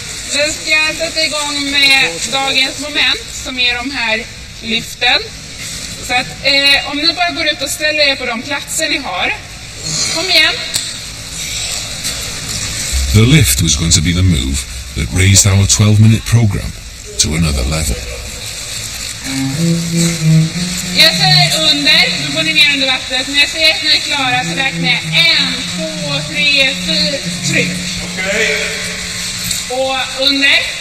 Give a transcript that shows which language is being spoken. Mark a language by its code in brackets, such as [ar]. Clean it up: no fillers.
[sv] Sen ska jag sätta igång med dagens moment som är de här lyften. Så att om ni bara går ut och ställer er på de platser ni har. Kom igen. [en] The lift was going to be the move that raised our 12-minute program to another level. [sv] Jag säger under, då får ni ner under vattnet. När jag ser att ni är klara så räknar jag 1, 2, 3, 4, tryck. Okej. Och under.